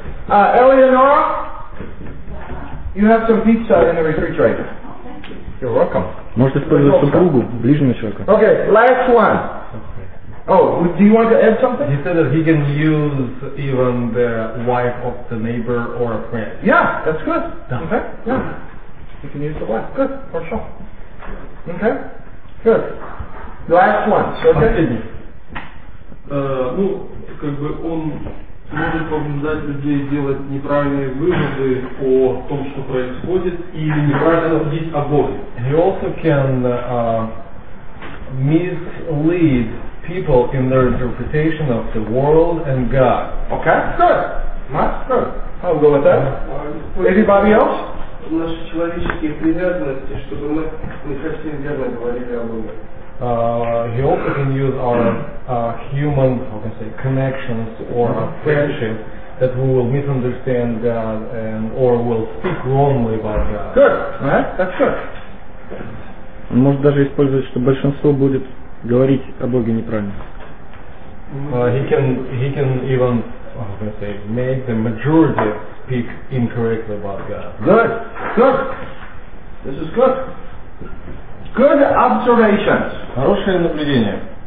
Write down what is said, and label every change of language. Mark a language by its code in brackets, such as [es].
[en] Eleonora, you have some pizza in the refrigerator. You're welcome. [ru] Может использовать супругу, ближнего человека. [en] Okay, last one. Oh, do you want to add something? He said that he can use even the wife of the neighbor or a friend. Yeah, that's good. No. Okay, yeah. He can use the wife. Good, for sure. Okay, good. Last one. Okay. [ru] Ну, как бы он может побуждать людей делать неправильные выводы о том, что происходит, или неправильно судить о Боге. [en] He also can mislead people in their interpretation of the world and God. Okay, good. That's good. I'll go with that. Anybody else? [ru] Наши человеческие привязанности, чтобы мы не совсем верно говорили о Боге. [en] He also can use our human, how can I say, connections or our friendship that we will misunderstand God and or will speak wrongly about God. Good, right? That's good. [ru] Может даже использовать, что большинство будет говорить о Боге неправильно. [en] He can even, how can I say, make the majority speak incorrectly about God. Good, good. This is good. Good observations. [ru] Хорошее наблюдение.